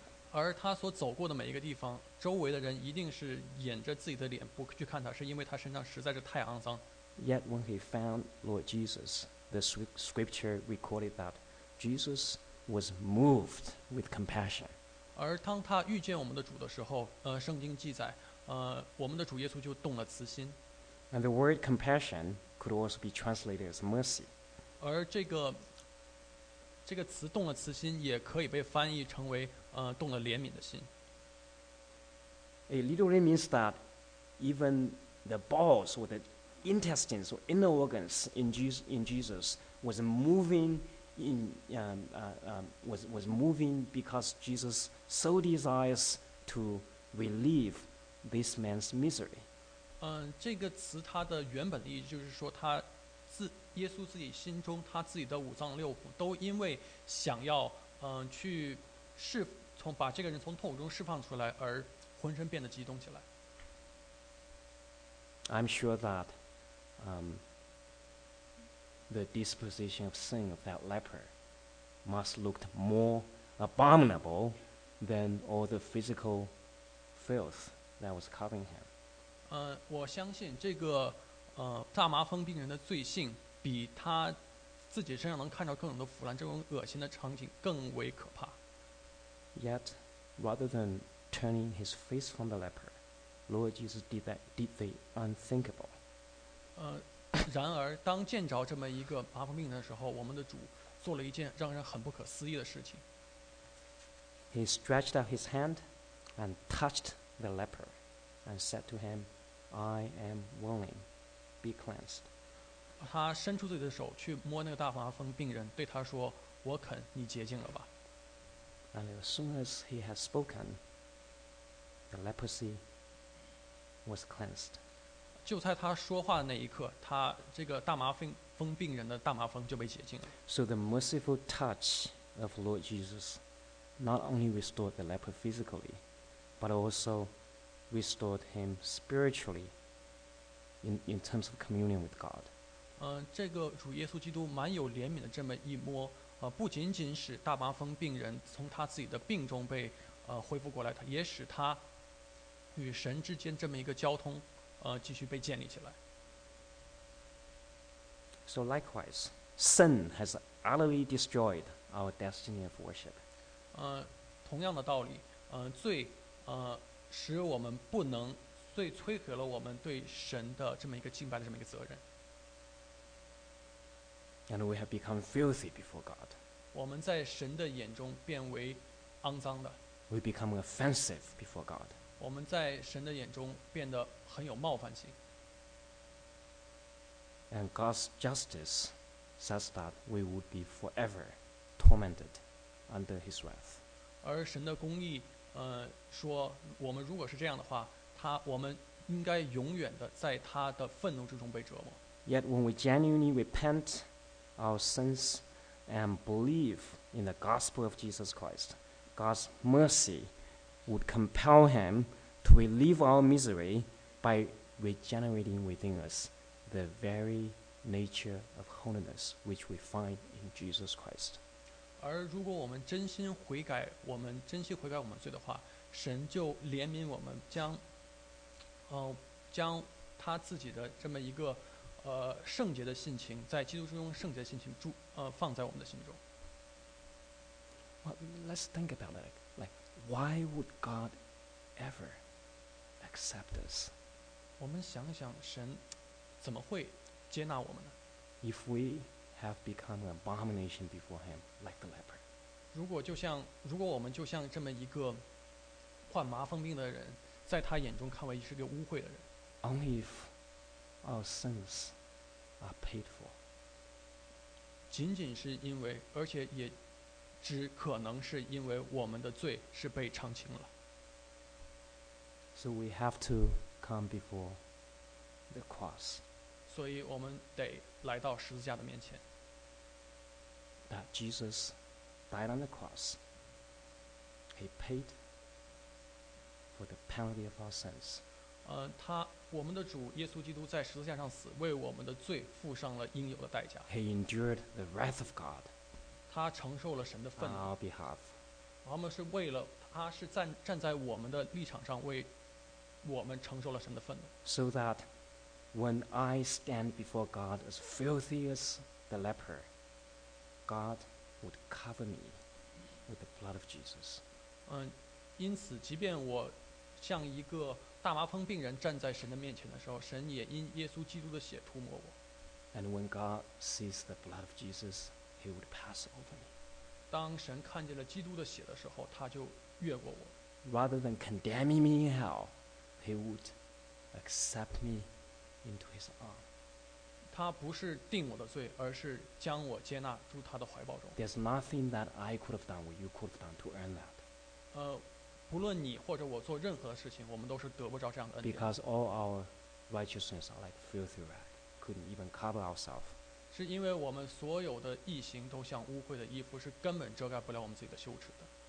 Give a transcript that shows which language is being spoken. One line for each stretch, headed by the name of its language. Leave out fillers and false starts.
Chinese: 而他所走过的每一个地方，周围的人一定是掩着自己的脸不去看他，是因为他身上实在是太肮脏。
English: Yet when he found Lord Jesus, the scripture recorded that Jesus was moved with compassion.
Chinese: 而当他遇见我们的主的时候，圣经记载，我们的主耶稣就动了慈心。
English: And the word compassion could also be translated as mercy.
Chinese: 而这个词动了慈心也可以被翻译成为动了怜悯的心。
English: It literally means that even the bowels or the intestines or inner organs in Jesus was moving because Jesus so desires to relieve this man's misery.
Chinese: 这个词它的原本意就是说他耶稣自己心中他自己的五脏六腑都因为想要去释从把这个人从痛苦中释放出来而浑身变得激动起来。
English: I'm sure that the disposition of sin of that leper must looked more abominable than all the physical filth that was covering him.
Chinese: 我相信这个大麻风病人的罪性比他自己身上能看到各种的腐烂这种恶心的场景更为可怕。
English: Yet, rather than turning his face from the leper, Lord Jesus did the unthinkable.
Chinese: 然而当见着这么一个麻风病人的时候，我们的主做了一件让人很不可思议的事情。
English: He stretched out his hand and touched the leper and said to him, I am willing, be cleansed.
Chinese: 他伸出自己的手去摸那个大麻风病人，对他说：“我肯，你洁净了吧。”
English: And as soon as he had spoken, the leprosy was cleansed.
Chinese: 就在他说话的那一刻，他这个大麻风病人的大麻风就被洁净了。
English: So the merciful touch of Lord Jesus not only restored the leper physically, but also restored him spiritually in terms of communion with God.
Chinese: 这个主耶稣基督蛮有怜悯的这么一摸，不仅仅使大麻风病人从他自己的病中被恢复过来，也使他与神之间这么一个交通继续被建立起来。
English: So likewise, sin has utterly destroyed our destiny of worship.
Chinese: 同样的道理，罪使我们不能，罪摧毁了我们对神的这么一个敬拜的这么一个责任。
English: And we have become filthy before God.
Chinese: 我们在神的眼中变为肮脏的。
English: We become offensive before God.
Chinese: 我们在神的眼中变得很有冒犯性。
English: And God's justice says that we would be forever tormented under His wrath.
Chinese: 而神的公义，说我们如果是这样的话，我们应该永远的在他的愤怒之中被折磨。
English: Yet when we genuinely repent. Our sins and believe in the gospel of Jesus Christ, God's mercy would compel him to relieve our misery by regenerating within us the very nature of holiness which we find in Jesus Christ.
Chinese: 而如果我们真心悔改，我们真心悔改我们罪的话，神就怜悯我们，将他自己的这么一个圣洁的性情在基督之中圣洁的性情住放在我们的心中。
English: Well, let's think about it. Like, why would God ever accept us?
Chinese: 我们想想神怎么会接纳我们呢？
English: If we have become an abomination before him, like the leper.
Chinese: 如果我们就像这么一个患麻风病的人，在他眼中看为是个污秽的人。
English: Only if our sins are paid for.
Chinese: 仅仅是因为，而且也只可能是因为我们的罪是被偿清了。
English: So we have to come before the cross.
Chinese: 所以我们得来到十字架的面前。
English: That Jesus died on the cross. He paid for the penalty of our sins.
Chinese: 我们的主耶稣基督在十字架上死，为我们的罪付上了应有的代价。
English: He endured the wrath of God.
Chinese: 他承受了神的愤怒。
English: On our behalf.
Chinese: 我们是为了他是站在我们的立场上为我们承受了神的愤怒。
English: So that when I stand before God as filthy as the leper, God would cover me with the blood of Jesus.
Chinese: 因此即便我像一个大麻风病人站在神的面前的时候，神也因耶稣基督的血涂抹我。
English: And when God sees the blood of Jesus, He would pass over me.
Chinese: 当神看见了基督的血的时候，他就越过我。
English: Rather than condemning me in hell, He would accept me into His arm.
Chinese: 他不是定我的罪，而是将我接纳入他的怀抱中。
English: There's nothing that I could have done or you could have done to earn that.
Chinese: 不论你或者我做任何的事情，我们都是得不着这样的恩典。
English: Because all our righteousness are like filthy rag, couldn't even cover ourselves.
Chinese: 是因为我们所有的义行都像污秽的衣服，是根本遮盖不了我们自己的羞耻的。